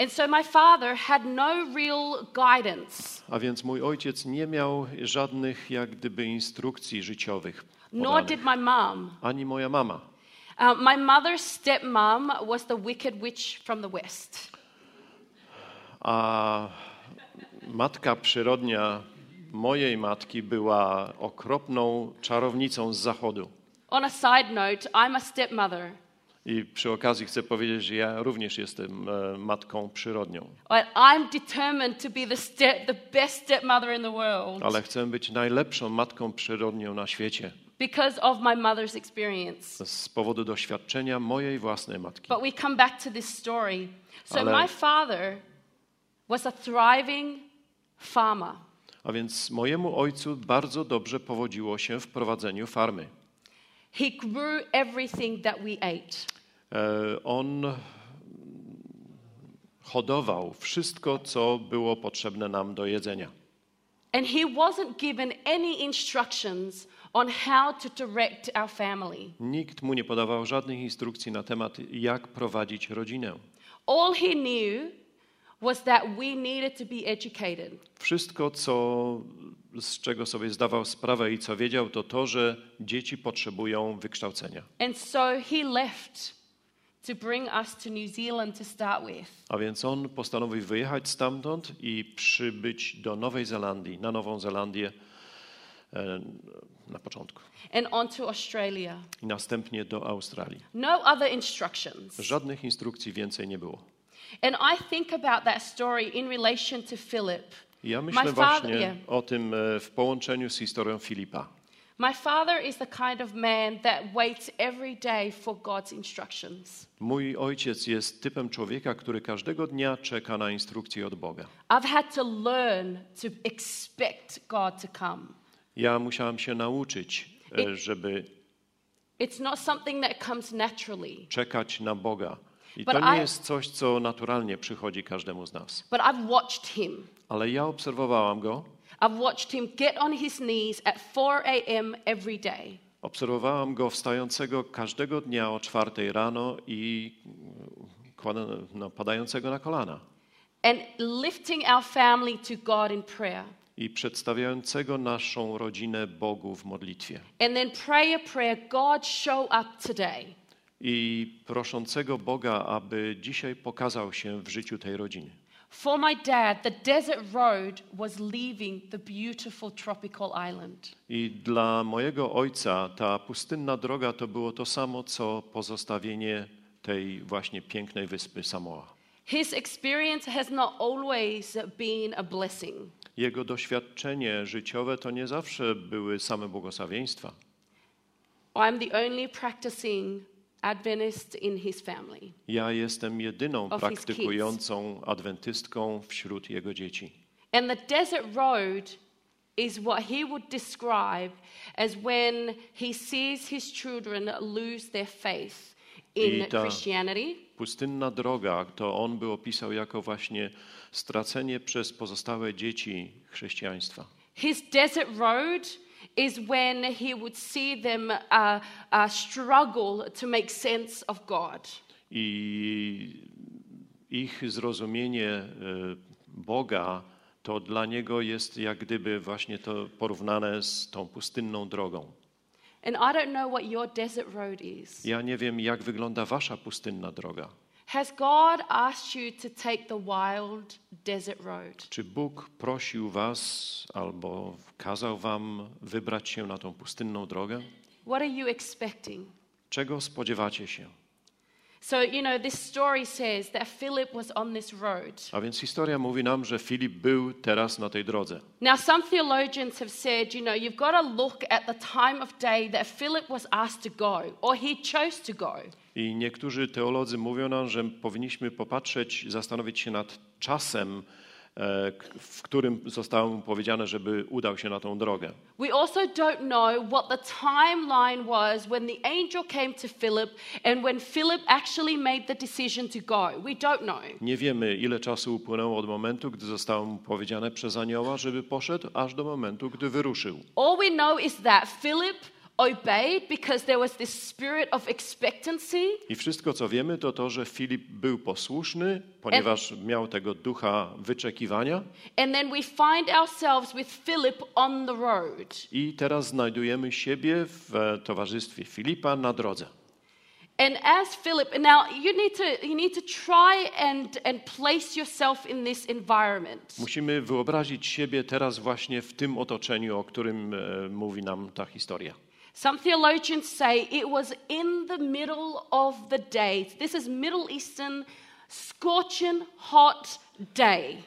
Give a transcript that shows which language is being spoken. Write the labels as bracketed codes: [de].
[en] And so my father had no real guidance. [pl] A więc mój ojciec nie miał żadnych, jak gdyby, instrukcji życiowych. [en] Nor did my mom. [pl] Ani moja mama. [en] My mother's stepmom was the wicked witch from the west. [pl] A matka przyrodnia mojej matki była okropną czarownicą z zachodu. [en] On a side note, I'm a stepmother. [pl] I przy okazji chcę powiedzieć, że ja również jestem matką przyrodnią. [en] I'm determined to be the best stepmother in the world. [pl] Ale chcę być najlepszą matką przyrodnią na świecie. [en] Because of my mother's experience. [pl] Z powodu doświadczenia mojej własnej matki. [en] But we come back to this story. So ale my father was a thriving farmer. [pl] A więc mojemu ojcu bardzo dobrze powodziło się w prowadzeniu farmy. [en] He grew everything that we ate. [pl] On hodował wszystko, co było potrzebne nam do jedzenia. [en] And he wasn't given any instructions on how to direct our family. [pl] Nikt mu nie podawał żadnych instrukcji na temat, jak prowadzić rodzinę. [en] All he knew was that we needed to be educated. [pl] Wszystko, co z czego sobie zdawał sprawę i co wiedział, to, że dzieci potrzebują wykształcenia. [en] And so he left to bring us to New Zealand to start with. [pl] A więc on postanowił wyjechać stamtąd i przybyć do Nowej Zelandii, na Nową Zelandię na początku. [en] And on to Australia. [pl] I następnie do Australii. [en] No other instructions. [pl] Żadnych instrukcji więcej nie było. [en] And I think about that story in relation to Philip. [pl] Ja myślę właśnie o tym w połączeniu z historią Filipa. [en] My father is the kind of man that waits every day for God's instructions. [pl] Mój ojciec jest typem człowieka, który każdego dnia czeka na instrukcje od Boga. [en] I've had to learn to expect God to come. [pl] Ja musiałem się nauczyć, żeby [en] it's not something that comes naturally. [pl] Czekać na Boga. I to nie jest coś, co naturalnie przychodzi każdemu z nas. [en] But I've watched him. [pl] Ale ja obserwowałam go. [en] I've watched him get on his knees at 4 a.m. every day. [pl] Obserwowałam go wstającego każdego dnia o 4 rano i padającego na kolana. [en] And lifting our family to God in prayer. [pl] I przedstawiającego naszą rodzinę Bogu w modlitwie. [en] And then prayer, God show up today. [pl] I proszącego Boga, aby dzisiaj pokazał się w życiu tej rodziny. [en] For my dad, the desert road was leaving the beautiful tropical island. [pl] I dla mojego ojca ta pustynna droga to było to samo, co pozostawienie tej właśnie pięknej wyspy Samoa. [en] His experience has not always been a blessing. [pl] Jego doświadczenie życiowe to nie zawsze były same błogosławieństwa. [en] I'm the only practicing Adventist in his family. [pl] Ja jestem jedyną praktykującą adwentystką wśród jego dzieci. [en] And the desert road is what he would describe as when he sees his children lose their faith in Christianity. [pl] Pustynna droga, to on by opisał jako właśnie stracenie przez pozostałe dzieci chrześcijaństwa. [en] His desert road is when he would see them struggle to make sense of God. [pl] I ich zrozumienie Boga to dla niego jest jak gdyby właśnie to porównane z tą pustynną drogą. [en] And I don't know what your desert road is. [pl] Ja nie wiem, jak wygląda wasza pustynna droga. [en] Has God asked you to take the wild desert road? [pl] Czy Bóg prosił was albo kazał wam wybrać się na tą pustynną drogę? [en] What are you expecting? [pl] Czego spodziewacie się? [en] So you know this story says that Philip was on this road. [pl] A więc historia mówi nam, że Filip był teraz na tej drodze. [en] Now some theologians have said, you know, you've got to look at the time of day that Philip was asked to go, or he chose to go. [pl] I niektórzy teolodzy mówią nam, że powinniśmy popatrzeć, zastanowić się nad czasem, w którym zostało mu powiedziane, żeby udał się na tą drogę. [en] We also don't know what the timeline was when the angel came to Philip and when Philip actually made the decision to go. We don't know. [pl] Nie wiemy, ile czasu upłynęło od momentu, gdy zostało mu powiedziane przez anioła, żeby poszedł, aż do momentu, gdy wyruszył. [en] All we know is that Philip obeyed because there was this spirit of expectancy. [pl] I wszystko co wiemy to to, że Filip był posłuszny, ponieważ [en] and, [pl] miał tego ducha wyczekiwania. [en] And then we find ourselves with Philip on the road. [pl] I teraz znajdujemy siebie w towarzystwie Filipa na drodze. [en] And as Philip, now you need to try and place yourself in this environment. [pl] Musimy wyobrazić siebie teraz właśnie w tym otoczeniu, o którym mówi nam ta historia. [en] Some theologians say it was in the middle of the day. This is Middle Eastern, scorching hot day.